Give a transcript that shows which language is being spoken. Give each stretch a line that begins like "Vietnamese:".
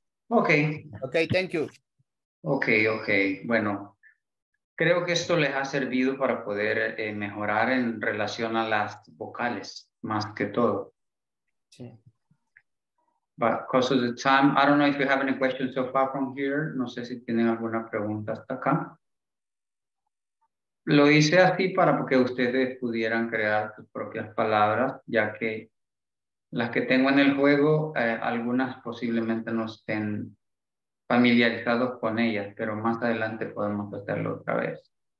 English: Okay. Okay. Thank you.
Spanish: Okay. Okay. Bueno. Creo que esto les ha servido para poder mejorar en relación a las vocales, más que todo. Sí.
English: But because of the time, I don't know if you have any questions so far from here.
Spanish: No sé si tienen alguna pregunta hasta acá. Lo hice así para que ustedes pudieran crear sus propias palabras, ya que las que tengo en el juego, algunas posiblemente no estén familiarizados con ellas, pero más adelante podemos hacerlo otra vez.